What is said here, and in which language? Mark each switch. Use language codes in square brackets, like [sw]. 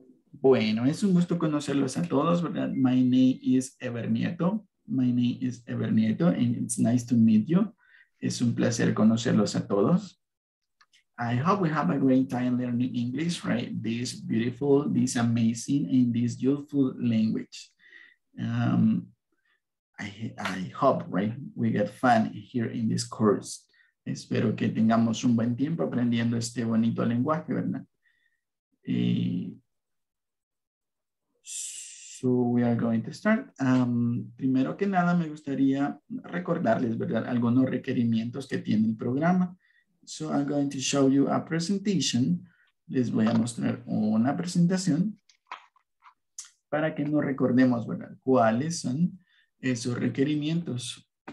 [es] Bueno, es un gusto conocerlos a todos, ¿verdad? [en] My name is Ever Nieto. My name is Ever Nieto, and it's nice to meet you. [es] Es un placer conocerlos a todos. [en] I hope we have a great time learning English, right? This beautiful, this amazing, and this useful language. I hope, right, we get fun here in this course. [es] Espero que tengamos un buen tiempo aprendiendo este bonito lenguaje, ¿verdad? [en] So we are going to start. [es] Primero que nada, me gustaría recordarles, ¿verdad?, algunos requerimientos que tiene el programa. [en] So I'm going to show you a presentation. [es] Les voy a mostrar una presentación para que nos recordemos, ¿verdad?, cuáles son esos requerimientos.